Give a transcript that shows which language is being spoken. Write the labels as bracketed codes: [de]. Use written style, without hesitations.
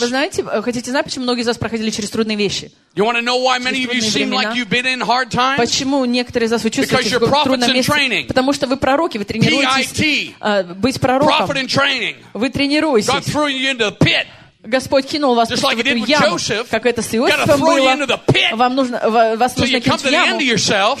[ru] Вы знаете, хотите знать, почему многие из вас проходили через трудные вещи? [en] You want to know why many of you seem like you've been in hard times? [ru] Почему некоторые из вас чувствуете, что в трудном месте? Потому что вы пророки, вы тренируетесь быть пророком. [en] Prophet in training. [ru] Вы тренируетесь. [en] God threw you into the pit. [ru] Господь кинул вас [en] just like [ru] в эту яму, [en] Joseph, [ru] как это с Иосифом было. Вам нужно, вас [en] so [ru] нужно кинуть в яму, [en] yourself,